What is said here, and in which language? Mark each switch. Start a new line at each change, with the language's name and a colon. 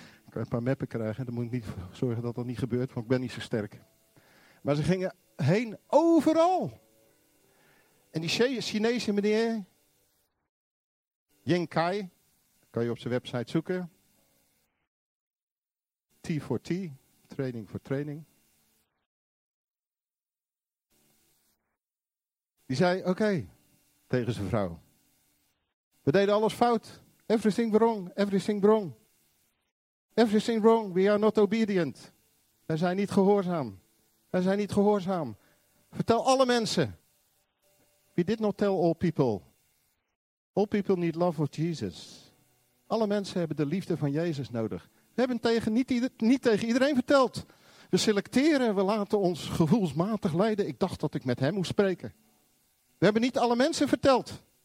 Dutch: Dan kan ik een paar meppen krijgen. Dan moet ik niet zorgen dat dat niet gebeurt. Want ik ben niet zo sterk. Maar ze gingen heen overal. En die Chinese meneer. Yin Kai. Kan je op zijn website zoeken.
English: T for T, training for training.
Dutch: Die zei, oké, tegen zijn vrouw. We deden alles fout.
English: Everything wrong, everything wrong. Everything wrong, we are not obedient.
Dutch: Wij zijn niet gehoorzaam. Wij zijn niet gehoorzaam. Vertel alle mensen.
English: We did not tell all people. All people need love of Jesus.
Dutch: Alle mensen hebben de liefde van Jezus nodig. We hebben niet tegen iedereen verteld. We selecteren, we laten ons gevoelsmatig leiden. Ik dacht dat ik met hem moest spreken. We hebben niet alle mensen verteld.